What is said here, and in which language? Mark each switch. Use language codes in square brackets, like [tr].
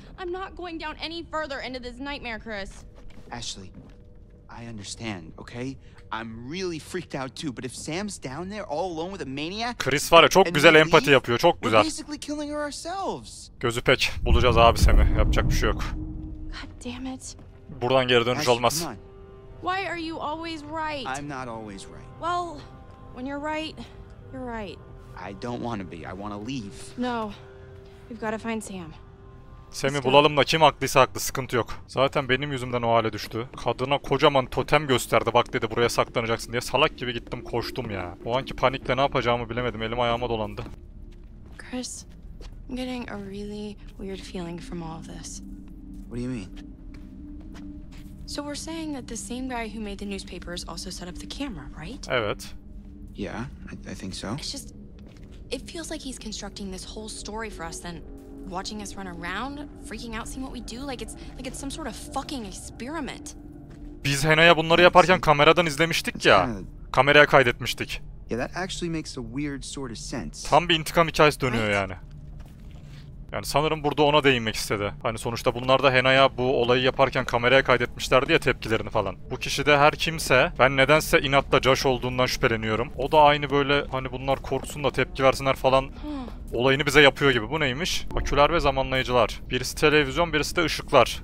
[en] I'm not going down any further into this nightmare, Chris. Ashley, I understand, okay? I'm really freaked out too, but if Sam's down there all alone with a maniac? [tr] Chris var ya çok güzel empati yapıyor, çok güzel. [en] We're basically killing her ourselves. [tr] Gözü pek, bulacağız abi Sam'i. Yapacak bir şey yok. [en] God damn it. [tr] Buradan geri dönüş olmaz. [en] Why are you always right? I'm not always right. Well, when you're right, you're right. I don't want to be. I want to leave. No. We've got to find Sam. [tr] Sam'i bulalım da kim haklıysa haklı sıkıntı yok. Zaten benim yüzümden o hale düştü. Kadına kocaman totem gösterdi bak dedi buraya saklanacaksın diye salak gibi gittim koştum ya. O anki panikle ne yapacağımı bilemedim elim ayağıma dolandı. [en] Chris, I'm getting a really weird feeling from all of this. What do you mean? So we're saying that the same guy who made the newspapers also set up the camera, right? [tr] Evet. [en] Yeah, I think so. It's just, it feels like he's constructing this whole story for us then. Watching us run around, freaking out, seeing what we do, like it's some sort of fucking experiment. [tr] Biz Hannah'ya bunları yaparken kameradan izlemiştik ya. Kameraya kaydetmiştik. [en] Yeah, that actually makes a weird sort of sense. [tr] Tam bir intikam hikayesi dönüyor yani. Yani sanırım burada ona değinmek istedi. Hani sonuçta bunlar da Hannah'ya bu olayı yaparken kameraya kaydetmişlerdi ya tepkilerini falan. Bu kişi de her kimse, ben nedense inatla Josh olduğundan şüpheleniyorum. O da aynı böyle hani bunlar korksun da tepki versinler falan. olayını bize yapıyor gibi. Bu neymiş? Aküler ve zamanlayıcılar. Birisi televizyon, birisi de ışıklar.